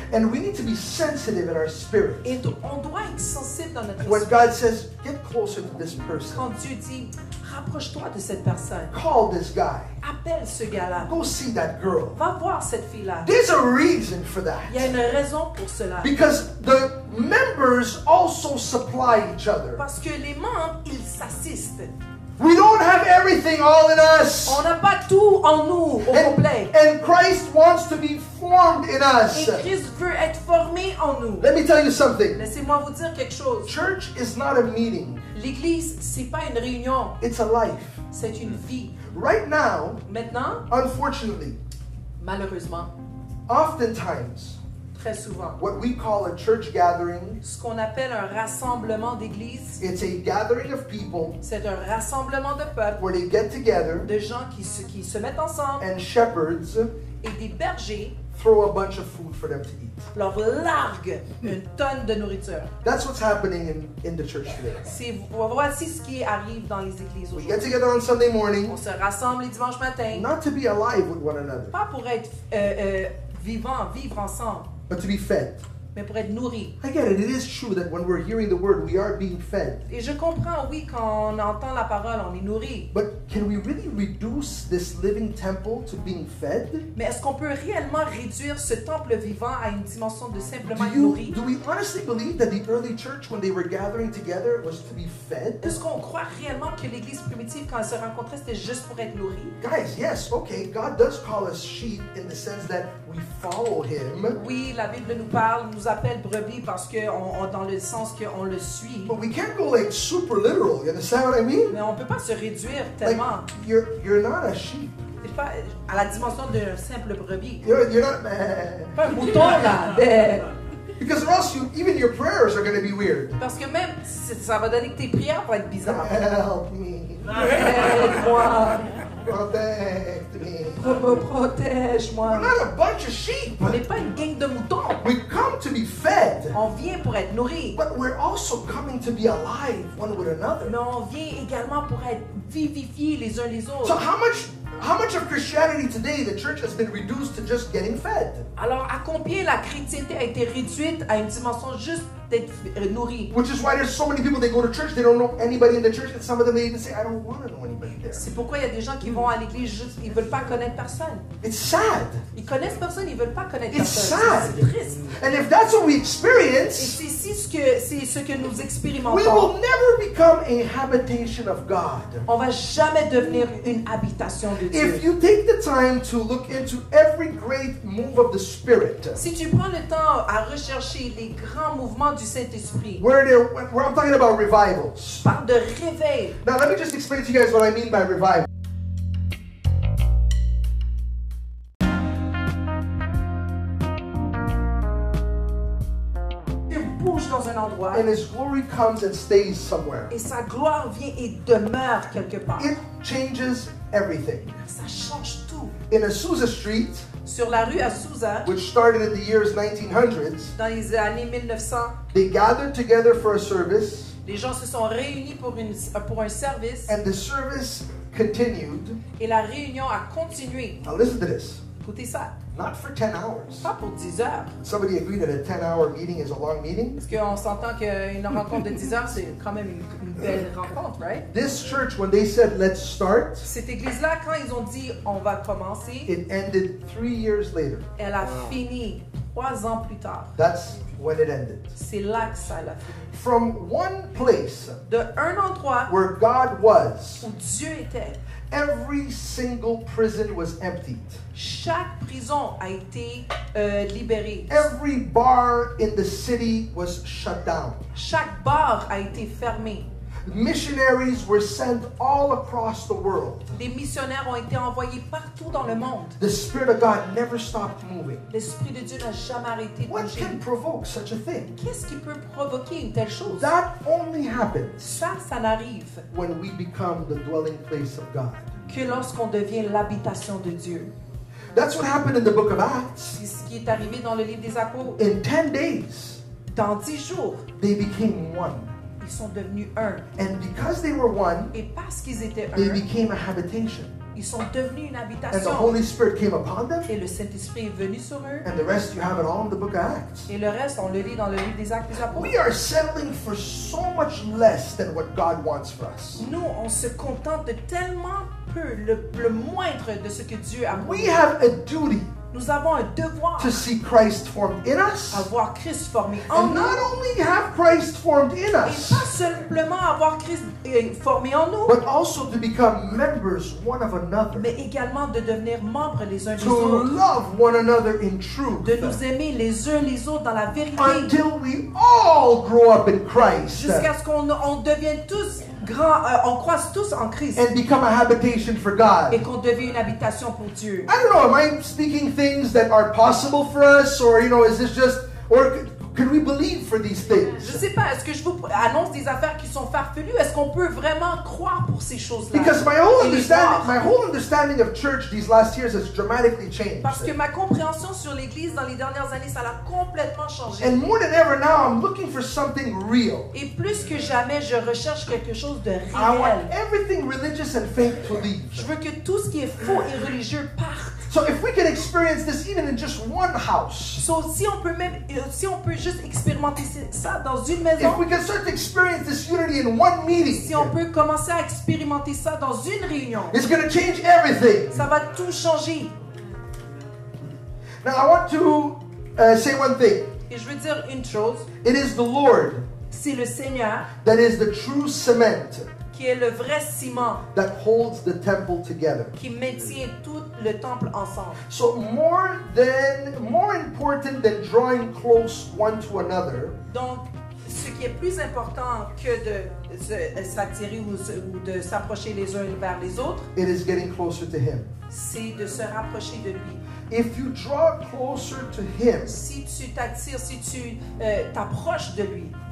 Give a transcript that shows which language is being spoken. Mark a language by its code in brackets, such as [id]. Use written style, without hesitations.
[en] And we need to be sensitive in our spirit. [fr] Et on doit être sensible. [en] When God says, get closer to this person. [fr] Quand Dieu dit, rapproche-toi de cette personne. [en] Call this guy. [fr] Appelle ce gars-là. [en] Go see that girl. [fr] Va voir cette fille-là. [en] There's a reason for that. [fr] Il y a une raison pour cela. [en] Because the members also supply each other. [fr] Parce que les membres, ils s'assistent. [en] We don't have everything all in us. [fr] On n'a pas tout en nous au complet. [en] And Christ wants to be formed in us. [fr] Et Christ veut être formé en nous. [en] Let me tell you something. [fr] Laissez-moi vous dire quelque chose. [en] Church is not a meeting. [fr] L'église, c'est pas une réunion. [en] It's a life. [fr] C'est une vie. [en] Right now, [fr] maintenant, [en] unfortunately, [fr] malheureusement, [en] oftentimes, [fr] très souvent, [en] what we call a church gathering, [fr] ce qu'on appelle un rassemblement d'église, [en] it's a gathering of people, [fr] c'est un rassemblement de peuple, [en] where they get together, [fr] de gens qui se mettent ensemble, [en] and shepherds, [fr] et des bergers, [en] throw a bunch of food for them to eat. [fr] Leur largue une tonne de nourriture. [en] That's what's happening in the church today. [fr] C'est voici ce qui arrive dans les églises aujourd'hui. [en] We get together on Sunday morning, [fr] on se rassemble les dimanches matin, [en] not to be alive with one another, [fr] pas pour être vivant, vivre ensemble. [en] But to be fed. [fr] Mais pour être nourri. [en] I get it. It is true that when we're hearing the word, we are being fed. [fr] Et je comprends, oui, quand on entend la parole, on est nourri. [en] But can we really reduce this living temple to being fed? [fr] Mais est-ce qu'on peut réellement réduire ce temple vivant à une dimension de simplement nourrir? [en] Do we honestly believe that the early church, when they were gathering together, was to be fed? [fr] Est-ce qu'on croit réellement que l'église primitive, quand elle se rencontrait, c'était juste pour être nourrie? [en] Guys, yes, okay, God does call us sheep in the sense that we follow Him. [fr] Oui, la Bible nous parle, nous appelle brebis parce que on dans le sens que on le suit. [en] But we can't go like super literal. You understand what I mean? [fr] Mais on peut pas se réduire tellement. [en] Like, you're not a sheep. [fr] C'est pas à la dimension d'un simple brebis. [en] You're not [fr] un mouton là. [en] Because or else, even your prayers are going to be weird. [fr] Parce que même ça va donner que tes prières vont être bizarres. [en] Help me. [fr] Aide-moi. Protège-moi. [en] We're not a bunch of sheep. [fr] On n'est pas une gang de moutons. [en] We come to be fed. [fr] On vient pour être nourri. [en] But we're also coming to be alive one with another. [fr] Mais on vient également pour être vivifiés les uns les autres. [en] So how much of Christianity today the church has been reduced to just getting fed? [fr] Alors à combien la chrétienté a été réduite à une dimension juste d'être nourri. [en] Which is why there's so many people, they go to church, they don't know anybody in the church, and some of them they even say, I don't want to know anybody there. [fr] C'est pourquoi il y a des gens qui vont à l'église juste, ils veulent pas connaître personne. [en] It's sad. [fr] Ils connaissent personne, ils veulent pas connaître [en] it's [fr] personne. [en] Sad. [fr] C'est triste. [en] And if that's what we experience, [fr] et c'est ce que nous expérimentons, [en] we will never become a habitation of God. [fr] On va jamais devenir une habitation de Dieu. [en] If you take the time to look into every great move of the Spirit, [fr] si tu prends le temps à rechercher les grands mouvements du Saint-Esprit. [en] Where I'm talking about revivals. [fr] Je parle de réveil. [en] Now let me just explain to you guys what I mean by revival. [fr] Dans un endroit. [en] And His glory comes and stays somewhere. [fr] Et sa gloire vient et demeure quelque part. [en] It changes everything. [fr] Ça change tout. [en] In Azusa Street, [fr] sur la rue Azusa, [en] which started in the years 1900s, [fr] dans les années 1900, [en] they gathered together for a service. [fr] Les gens se sont réunis pour un service. [en] And the service continued. [fr] Et la réunion a continué. [en] Now listen to this. [fr] Écoutez ça. [en] Not for 10 hours. [fr] Pas pour 10 heures. [en] Somebody agreed that a 10-hour meeting is a long meeting. [fr] Parce qu'on s'entend qu'une rencontre de 10 heures, c'est quand même une belle rencontre, right? [en] This church, when they said, let's start, [fr] cette église-là, quand ils ont dit, on va commencer, [en] it ended 3 years later. [fr] Elle a fini 3 ans plus tard. [en] That's when it ended. [fr] C'est là que ça l'a fini. [en] From one place, [fr] de un endroit, [en] where God was, [fr] où Dieu était, [en] every single prison was emptied. [fr] Chaque prison a été libérée. [en] Every bar in the city was shut down. [fr] Chaque bar a été fermé. [en] Missionaries were sent all across the world. [fr] Les missionnaires ont été envoyés partout dans le monde. [en] The Spirit of God never stopped moving. [fr] L'Esprit de Dieu n'a jamais arrêté de bouger. [en] What can provoke such a thing? [fr] Qu'est-ce qui peut provoquer une telle chose? [en] That only happens. [fr] Ça n'arrive. [en] When we become the dwelling place of God. [fr] Que lorsqu'on devient l'habitation de Dieu. [en] That's what happened in the book of Acts. [fr] C'est ce qui est arrivé dans le livre des Actes. [en] In 10 days. [fr] Dans 10 jours. [en] They became one. [fr] Sont devenus un. [en] And because they were one, [fr] et parce qu'ils étaient un, [en] they became a habitation. [fr] Ils sont devenus une habitation. [en] And the Holy Spirit came upon them. [fr] Et le Saint-Esprit est venu sur eux. [en] And the rest, you have it all in the book of Acts. [fr] Et le reste, on le lit dans le livre des Actes des Apôtres. [en] We are settling for so much less than what God wants for us. [fr] Nous, on se contente de tellement peu, le moindre de ce que Dieu a voulu. [en] We have a duty. [fr] Nous avons un devoir [en] to see Christ formed in us, [fr] avoir Christ formé en [en] and [fr] nous, [en] not only have Christ formed in us, [fr] et pas simplement avoir Christ formé en nous, [en] but also to become members one of another, [fr] mais également de devenir membres les uns des [en] to [fr] autres, [en] love one another in truth, [fr] de nous aimer les uns les autres dans la vérité, [en] until we all grow up in Christ, [fr] jusqu'à ce qu'on devienne tous grands, on croise tous en Christ, [en] and become a habitation for God, [fr] et qu'on devienne une habitation pour Dieu. [en] I don't know, am I speaking things that are possible for us, or you know, is this just, or can we believe for these things? [fr] Je sais pas, est-ce que je vous annonce des affaires qui sont farfelues? Est-ce qu'on peut vraiment croire pour ces choses-là? [en] Because my whole understanding of church these last years has dramatically changed. [fr] Parce que ma compréhension sur l'église dans les dernières années, ça l'a complètement changé. [en] And more than ever now, I'm looking for something real. [fr] Et plus que jamais, je recherche quelque chose de réel. [en] I want everything religious and fake to leave. [fr] Je veux que tout ce qui est faux et religieux parte. [en] So if we can experience this even in just one house. [fr] So si on peut même si on peut juste expérimenter ça dans une maison. [en] If we can start to experience this unity in one meeting. [fr] Si on peut commencer à expérimenter ça dans une réunion. [en] It's going to change everything. [fr] Ça va tout changer. [en] Now I want to say one thing. [fr] Et je veux dire une chose. [en] It is the Lord. [fr] C'est le Seigneur. [en] That is the true cement. [fr] Qui est le vrai ciment. [en] That holds the temple together. [fr] Qui maintient tout le temple ensemble. [en] So more important than drawing close one to another. [fr] Donc, ce qui est plus important que de s'attirer ou de s'approcher les uns vers les autres. [en] It is getting closer to Him. [fr] C'est de se rapprocher de lui. [en] If you draw closer to Him. [fr] Si tu t'attires, si tu t'approches de lui.